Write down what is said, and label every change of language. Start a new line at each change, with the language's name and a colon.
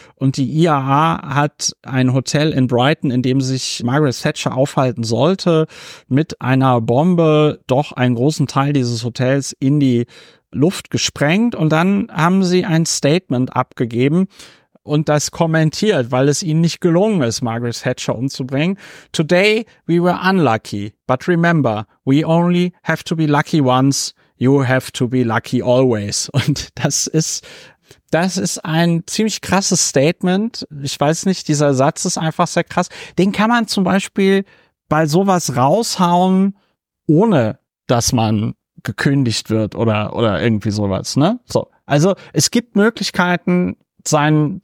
German: Und die IAA hat ein Hotel in Brighton, in dem sich Margaret Thatcher aufhalten sollte, mit einer Bombe doch einen großen Teil dieses Hotels in die Luft gesprengt. Und dann haben sie ein Statement abgegeben, und das kommentiert, weil es ihnen nicht gelungen ist, Margaret Thatcher umzubringen.
English: Today we were unlucky, but remember, we only have to be lucky once, you have to be lucky always.
German: Und das ist ein ziemlich krasses Statement. Ich weiß nicht, dieser Satz ist einfach sehr krass. Den kann man zum Beispiel bei sowas raushauen, ohne dass man gekündigt wird oder irgendwie sowas, ne? So. Also es gibt Möglichkeiten, seine